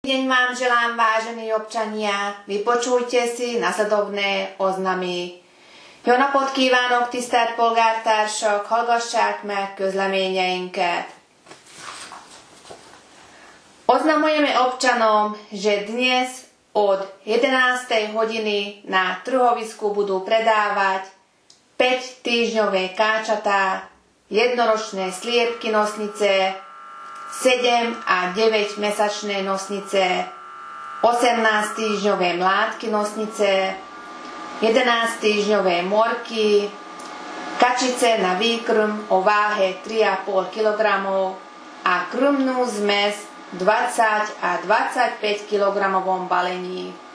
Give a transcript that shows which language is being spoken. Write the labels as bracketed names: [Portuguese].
[Slovak] Deň vám želám, vážení občania. Vypočujte si nasledovné oznamy. [Hungarian] Jóna pot kívánok, tisztelt polgártársak, hallgassák meg közleményeinket. [Slovak] Oznamujeme občanom, že dnes od 11. hodiny na trhovisku budú predávať 5-týždňové káčatá, jednoročné sliepky nosnice, 7 a 9 mesačné nosnice, 18 týždňové mládky nosnice, 11 týždňové morky, kačice na výkrm o váhe 3,5 kg a krmnú zmes 20 a 25 kg balení.